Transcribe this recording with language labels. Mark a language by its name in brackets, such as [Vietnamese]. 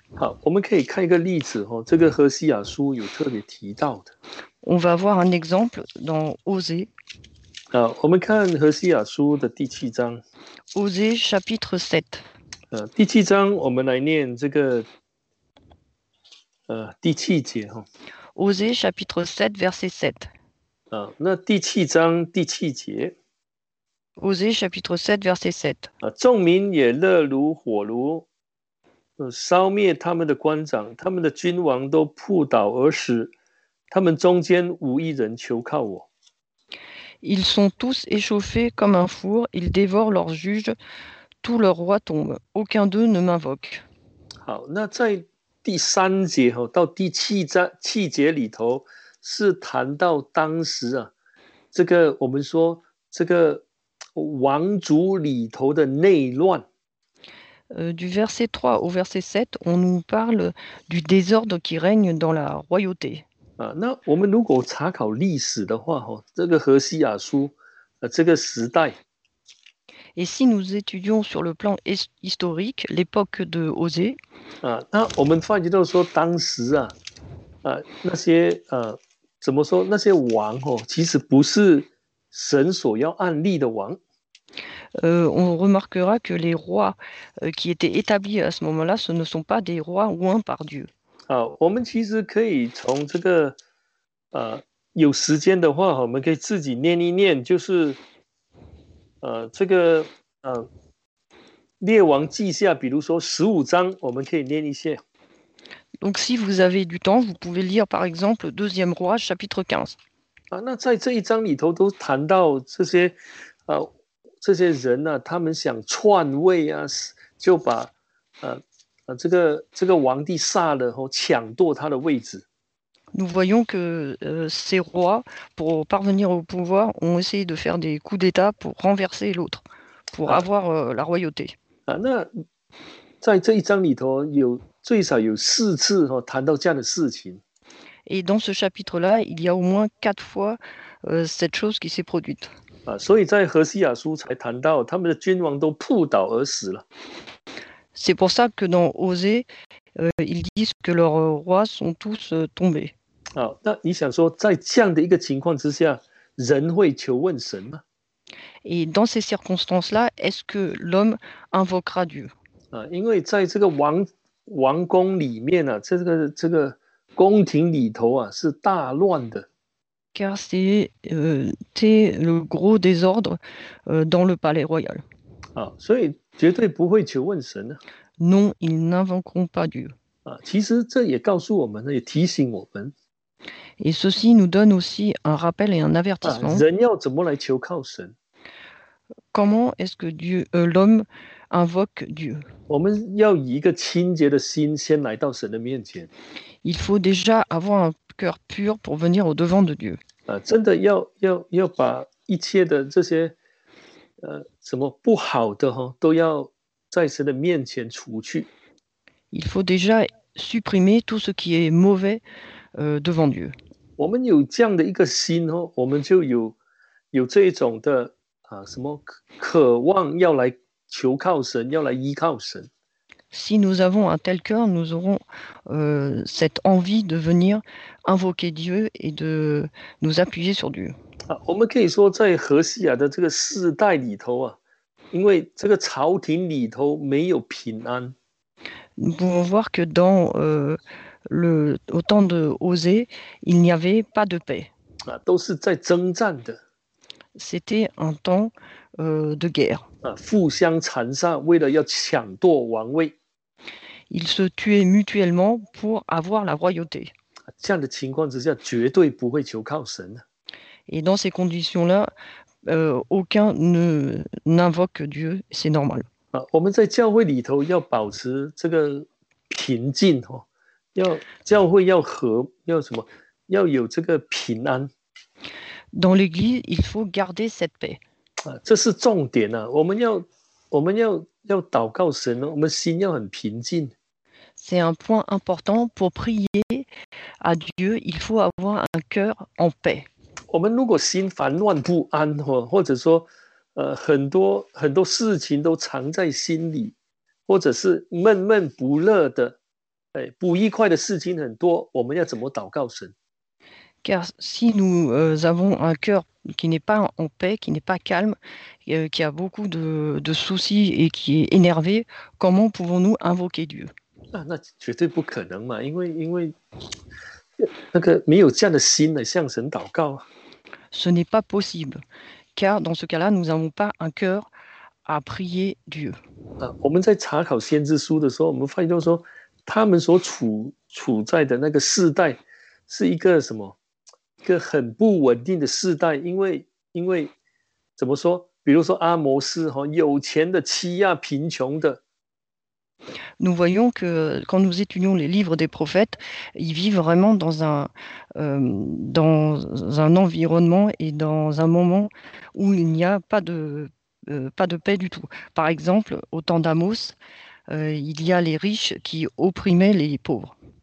[Chinese] 好, 我们可以看一个例子, 哦, 这个何西亚书有特别提到的。 [French] On va voir un exemple dans Osée. [Chinese] 好, 我们看何西亚书的第七章。 [French] Osée chapitre 7. [Chinese] 呃, 第七章, 我们来念这个, 呃, 第七节, 哦。 [French] Osée chapitre 7, verset 7. [Chinese] 啊, 那第七章第七节, [French] Osée chapitre 7, verset 7. [Chinese] 啊, 众民也热如火炉, 烧灭他们的官长, 他们的君王都扑倒而死, 他们中间无一人求靠我。 [French] Ils sont tous échauffés comme un four, ils dévorent leurs juges, tout leur roi tombe, aucun d'eux ne m'invoque. [Chinese] 好, 那在第三节到第七章七节里头, 是谈到当时啊, 这个, 我们说, 这个王族里头的内乱。 [French] Du verset 3 au verset 7, on nous parle du désordre qui règne dans la royauté. [Chinese] 啊, 那我们如果查考历史的话, 哦, 这个何西亚书, 啊, 这个时代, [French] Et si nous étudions sur le plan historique, l'époque de Osée, [Chinese] 啊, 那我们发觉到说当时啊, 啊, 那些, 啊, 怎么说, 那些王, 哦, 其实不是神所要安立的王。 [French] On remarquera que les rois qui étaient établis à ce moment-là, ce ne sont pas des rois oints par Dieu. [Chinese] 啊, 我们其实可以从这个,有时间的话，我们可以自己念一念，就是这个列王记下，比如说十五章，我们可以念一些。 [French] Donc, si vous avez du temps, vous pouvez lire, par exemple, deuxième roi, chapitre 15. [Chinese] 啊，那在这一章里头都谈到这些，这些人呢、啊，他们想篡位啊，就把这个王帝杀了，后抢夺他的位置。 [French] Nous voyons que ces rois, pour parvenir au pouvoir, ont essayé de faire des coups d'État pour renverser l'autre, pour avoir la royauté. [Chinese] 啊，那在这一章里头有最少有四次哈、谈到这样的事情。 [French] Et dans ce chapitre-là, il y a au moins quatre fois cette chose qui s'est produite. [Chinese] 啊，所以在何西亚书才谈到他们的君王都扑倒而死了。 [French] C'est pour ça que dans Osée, ils disent que leurs rois sont tous tombés. [Chinese] 啊，那你想说在这样的一个情况之下，人会求问神吗？ [French] Et dans ces circonstances-là, est-ce que l'homme invoquera Dieu? [Chinese] 啊，因为在这个王宫里面啊，这个宫廷里头啊是大乱的。 [French] Car c'est le gros désordre dans le palais royal. [Chinese] 啊，所以绝对不会求问神啊。 [French] Non, ils n'invoqueront pas Dieu. [Chinese] 啊，其实这也告诉我们，也提醒我们。 [French] Et ceci nous donne aussi un rappel et un avertissement. [Chinese] 啊，人要怎么来求靠神？ [French] Comment est-ce que Dieu, l'homme invoque Dieu? [Chinese] 我们要以一个清洁的心先来到神的面前。 [French] Il faut déjà avoir un cœur pur pour venir au devant de Dieu. [Chinese] 啊，真的要把一切的这些什么不好的哈，都要在神的面前除去。 [French] Il faut déjà supprimer tout ce qui est mauvais devant Dieu. [Chinese] 我们有这样的一个心哦，我们就有这种的啊，什么渴望要来求靠神，要来依靠神。 [French] Si nous avons un tel cœur, nous aurons cette envie de venir invoquer Dieu et de nous appuyer sur Dieu. [Chinese] 啊，我们可以说在何西亚的这个世代里头啊。因为这个朝廷里头没有平安。 [French] Nous pouvons voir que dans au temps de Osée, il n'y avait pas de paix. [Chinese] 啊，都是在征战的。 [French] C'était un temps de guerre. [Chinese] 啊，互相残杀，为了要抢夺王位。 [French] Ils se tuaient mutuellement pour avoir la royauté. [Chinese] 啊，这样的情况之下，绝对不会求靠神。 [French] Et dans ces conditions-là,aucun ne n'invoque Dieu, c'est normal. [Chinese] 啊，我们在教会里头要保持这个平静哦，要教会要和，要什么？要有这个平安。 [French] Dans l'église, il faut garder cette paix. [Chinese] 啊，这是重点啊！我们要祷告神哦，我们心要很平静。 [French] C'est un point important pour prier à Dieu. Il faut avoir un cœur en paix. [Chinese] 我们如果心烦乱不安，或者说，很多很多事情都藏在心里，或者是闷闷不乐的，哎，不愉快的事情很多，我们要怎么祷告神 [French] ？Car si nous avons un cœur qui n'est pas en paix, qui n'est pas calme, qui a beaucoup de soucis et qui est énervé, comment pouvons-nous invoquer Dieu？ [Chinese] 啊，那绝对不可能嘛，因为。那个没有这样的心来向神祷告、啊、 [French] Ce n'est pas possible, car dans ce cas-là, nous n'avons pas un cœur à prier Dieu.、 [Chinese] 啊、我们在查考先知书的时候，我们发现说，他们所处在的那个世代是一个什么？一个很不稳定的世代，因为怎么说？比如说阿摩斯、哦、有钱的欺压贫穷的。 [French] Nous voyons que quand nous étudions les livres des prophètes, ils vivent vraiment dans un environnement et dans un moment où il n'y a pas de paix du tout. Par exemple, au temps d'Amos, il y a les riches qui opprimaient les pauvres.